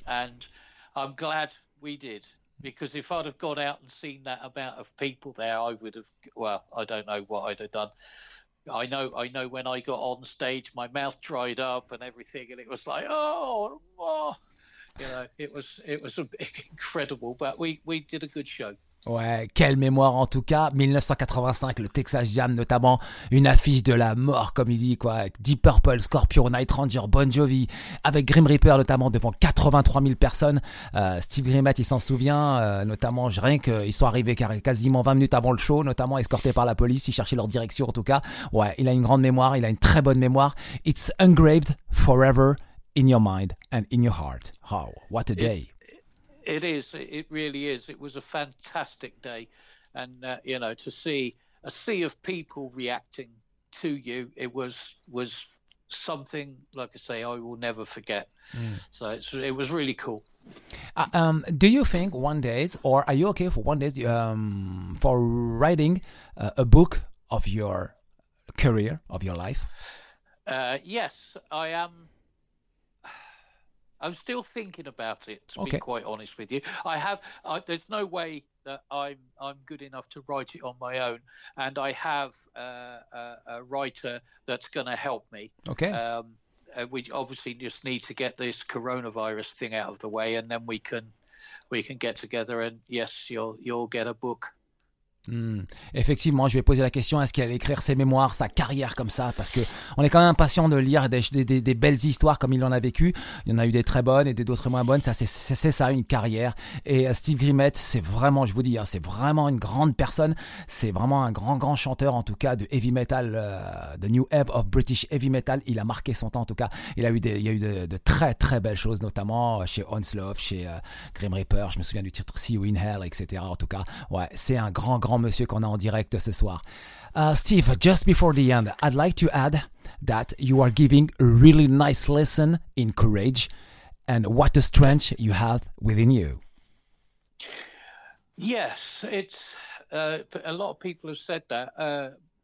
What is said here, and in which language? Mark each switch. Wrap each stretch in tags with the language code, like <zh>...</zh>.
<en>and I'm glad we did, because if I'd have gone out and seen that amount of people there, I would have, well, I don't know what I'd have done. I know when I got on stage, my mouth dried up and everything, and it was like, it was incredible, but we did a good show.</en> <fr>Ouais, quelle mémoire en tout cas. 1985, le Texas Jam, notamment une affiche de la mort, comme il dit, quoi. Deep Purple, Scorpion, Night Ranger, Bon Jovi, avec Grim Reaper, notamment devant 83 000 personnes. Steve Grimmett, il s'en souvient, notamment, rien qu'ils sont arrivés quasiment 20 minutes avant le show, notamment escortés par la police, ils cherchaient leur direction en tout cas. Ouais, il a une grande mémoire, il a une très bonne mémoire.</fr> <en>It's engraved forever in your mind and in your heart. Wow, what a day. It is. It really is. It was a fantastic day. And, you know, to see a sea of people reacting to you, it was something, like I say, I will never forget. Mm. So it was really cool. Do you think one day, or are you okay for one day, for writing a book of your career, of your life? Yes, I am. I'm still thinking about it, to be quite honest with you. There's no way that I'm good enough to write it on my own, and I have a writer that's going to help me. Okay. We obviously just need to get this coronavirus thing out of the way, and then we can get together, and yes, you'll get a book.</en> <fr>Effectivement, je vais poser la question, est-ce qu'il allait écrire ses mémoires, sa carrière comme ça, parce que on est quand même impatient de lire des belles histoires comme il en a vécu. Il y en a eu des très bonnes et d'autres moins bonnes, ça c'est ça une carrière. Et Steve Grimmett, c'est vraiment, je vous dis, hein, c'est vraiment une grande personne, c'est vraiment un grand chanteur, en tout cas de heavy metal, the new era of British heavy metal. Il a marqué son temps, en tout cas il y a eu de très très belles choses, notamment chez Onslaught, chez Grim Reaper, je me souviens du titre See You in Hell, etc. En tout cas, ouais, c'est un grand monsieur qu'on a en direct ce soir.</fr> <en>Steve, just before the end, I'd like to add that you are giving a really nice lesson in courage and what a strength you have within you. Yes, it's a lot of people have said that.</en>